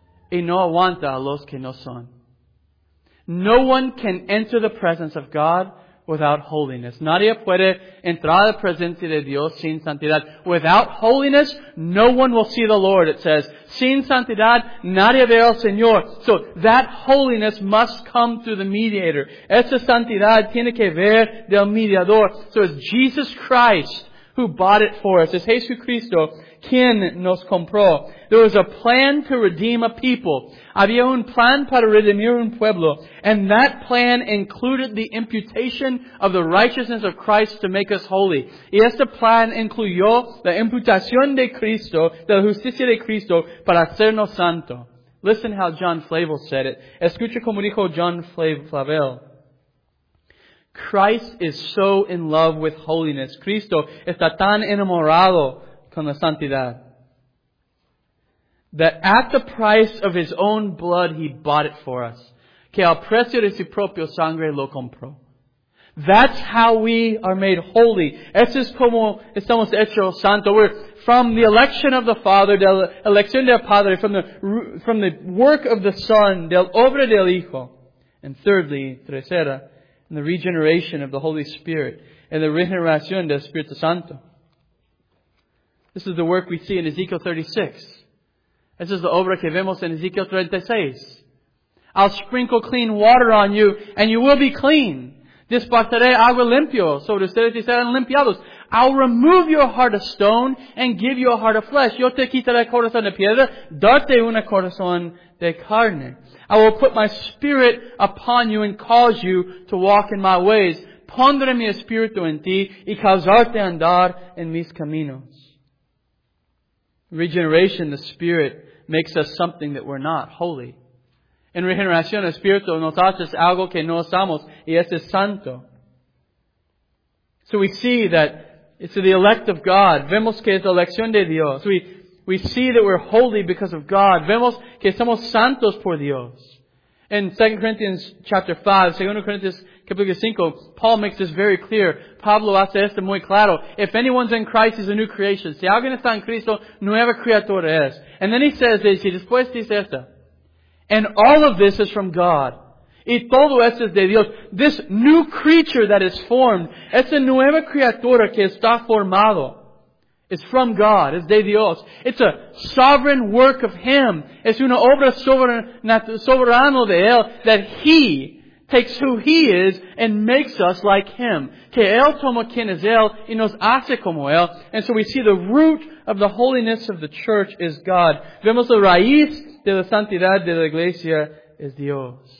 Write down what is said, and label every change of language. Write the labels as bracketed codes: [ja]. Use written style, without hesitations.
[es] Y no aguanta a los que no son. [en] No one can enter the presence of God without holiness. [es] Nadie puede entrar a la presencia de Dios sin santidad. [en] Without holiness, no one will see the Lord, it says. [es] Sin santidad, nadie ve al Señor. [en] So that holiness must come through the mediator. [es] Esa santidad tiene que ver del mediador. [en] So it's Jesus Christ who bought it for us. [es] Es Jesucristo quien nos compró. [en] There was a plan to redeem a people. [es] Había un plan para redimir un pueblo. [en] And that plan included the imputation of the righteousness of Christ to make us holy. [es] Y este plan incluyó la imputación de Cristo, de la justicia de Cristo, para hacernos santo. [en] Listen how John Flavel said it. [es] Escucha como dijo John Flavel. [en] Christ is so in love with holiness. [es] Cristo está tan enamorado con la santidad [en] that at the price of His own blood, He bought it for us. [es] Que al precio de su propio sangre lo compró. [en] That's how we are made holy. [es] Eso es como estamos hechos santos. [en] We're from the election of the Father, [es] de la elección del Padre, [en] from the work of the Son, [es] del obra del Hijo. [en] And thirdly, tercera, in the regeneration of the Holy Spirit and the [es] regeneración del Espíritu Santo. [en] This is the work we see in Ezekiel 36. This is the [es] obra que vemos [en] in Ezekiel 36. I'll sprinkle clean water on you and you will be clean. [es] Dispartiré agua limpio sobre ustedes y serán limpiados. [en] I'll remove your heart of stone and give you a heart of flesh. [es] Yo te quitaré corazón de piedra, darte un corazón de carne. [en] I will put my spirit upon you and cause you to walk in my ways. [es] Pondré mi espíritu en ti y causarte andar en mis caminos. [en] Regeneration, the Spirit, makes us something that we're not, holy. [es] En regeneración, el Espíritu nos hace algo que no somos, y ese es santo. [en] So we see that it's the elect of God. [es] Vemos que es la elección de Dios. [en] We see that we're holy because of God. [es] Vemos que somos santos por Dios. [en] In 2 Corinthians chapter 5, 2 Corinthians capítulo 5, Paul makes this very clear. [es] Pablo hace esto muy claro. [en] If anyone's in Christ, he's a new creation. [es] Si alguien está en Cristo, nueva criatura es. [en] And then he says this, [es] y después dice esto. [en] And all of this is from God. [es] Y todo esto es de Dios. [en] This new creature that is formed, [es] esta nueva criatura que está formado, [en] it's from God. It's [es] de Dios. [en] It's a sovereign work of Him. [es] Es una obra soberana de Él [en] that He takes who He is and makes us like Him. [es] Que Él toma quien es Él y nos hace como Él. [en] And so we see the root of the holiness of the church is God. [es] Vemos la raíz de la santidad de la iglesia es Dios.